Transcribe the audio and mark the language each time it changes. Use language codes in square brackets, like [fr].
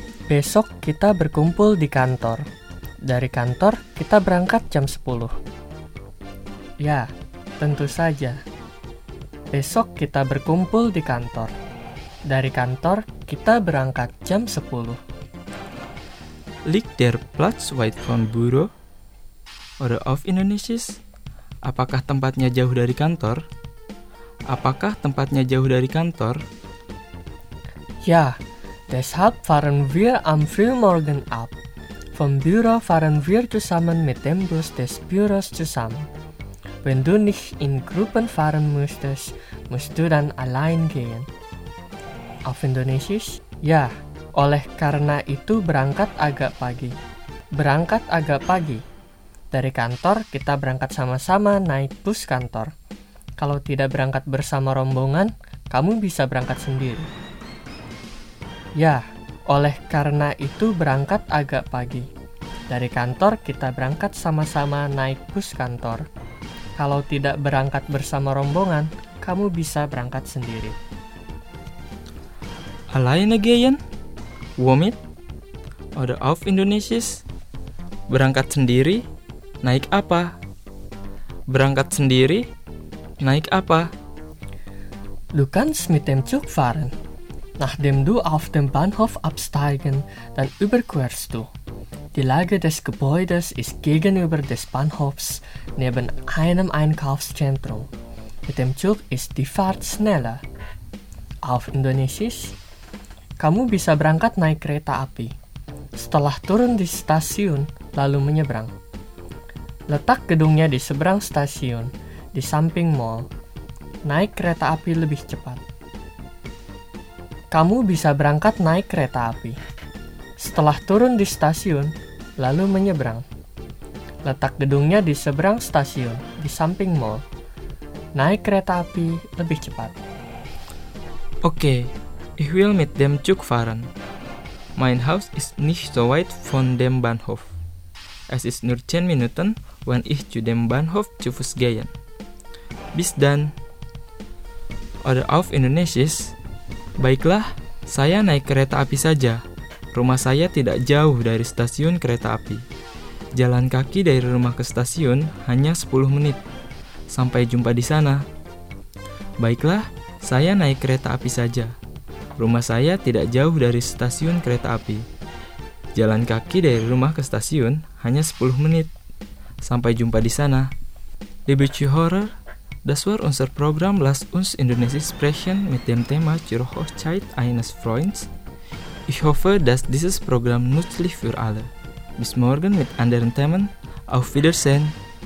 [id] Besok kita berkumpul di kantor. Dari kantor kita berangkat jam 10. Ya, tentu saja. Besok kita berkumpul di kantor. Dari kantor kita berangkat jam 10. [de] Liegt der Platz weit vom Büro? Oder auf Indonesisch? [id] Apakah tempatnya jauh dari kantor? Apakah tempatnya jauh dari kantor? [de] Ja, deshalb fahren wir am Frühmorgen ab. Vom Büro fahren wir zusammen mit dem Bus des Büros zusammen. Wenn du nicht in Gruppen fahren möchtest, musst du dann allein gehen. Auf Indonesisch? [id] Ja, oleh karena itu berangkat agak pagi. Berangkat agak pagi. Dari kantor, kita berangkat sama-sama naik bus kantor. Kalau tidak berangkat bersama rombongan, kamu bisa berangkat sendiri. Ya, oleh karena itu berangkat agak pagi. Dari kantor, kita berangkat sama-sama naik bus kantor. Kalau tidak berangkat bersama rombongan, kamu bisa berangkat sendiri. [de] Alleine gehen? Womit? Oder auf Indonesisch? [id] Berangkat sendiri? Naik apa? [de] Berangkat sendiri? Naik apa? Du kannst mit dem Zug fahren, nachdem du auf dem Bahnhof absteigen, dann überquerst du. Die Lage des Gebäudes ist gegenüber des Bahnhofs neben einem Einkaufszentrum. Mit dem Zug ist die Fahrt schneller. Auf Indonesisch? [id] Kamu bisa berangkat naik kereta api. Setelah turun di stasiun, lalu menyeberang. Letak gedungnya di seberang stasiun, di samping mall. Naik kereta api lebih cepat. Kamu bisa berangkat naik kereta api. Setelah turun di stasiun, lalu menyeberang. Letak gedungnya di seberang stasiun, di samping mall. Naik kereta api lebih cepat. [de] Oke, ich will mit dem Zug fahren. Mein Haus ist nicht so weit von dem Bahnhof. Es ist nur 10 Minuten, wenn ich zu dem Bahnhof zu Fuß gehe. Bis dann. Oder auf Indonesisch. [id] Baiklah, saya naik kereta api saja. Rumah saya tidak jauh dari stasiun kereta api. Jalan kaki dari rumah ke stasiun hanya 10 menit. Sampai jumpa di sana. Baiklah, saya naik kereta api saja. Rumah saya tidak jauh dari stasiun kereta api. Jalan kaki dari rumah ke stasiun hanya 10 menit. Sampai jumpa di sana. [de] Liebe Zuhörer, das war unser Programm Lass uns Indonesisch sprechen mit dem Thema Zur Hochzeit eines Freundes. Ich hoffe, dass dieses Programm nützlich für alle. Bis morgen mit anderen Themen. Auf Wiedersehen!